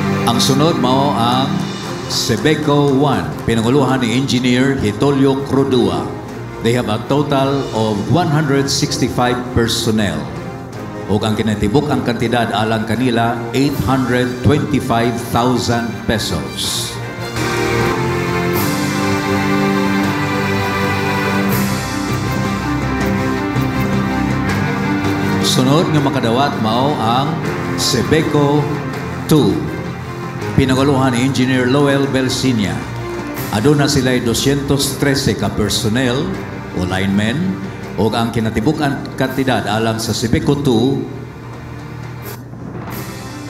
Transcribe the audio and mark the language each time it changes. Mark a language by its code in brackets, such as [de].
[ceb] Ang sunod mao ang Sebeco 1, pinanguluhan ni Engineer Hitolio Crudua. [en] They have a total of 165 personnel. [ceb] Ug ang kinatibuk ang kantidad alang kanila 825,000 pesos. Sunod nga makadawat mao ang Sebeco 2. Pinanguluhan ni Engineer Lowell Belsinia. Aduna sila ay 213 ka personnel o linemen o ang kinatibuk ang kantidad alang sa Sebeco 2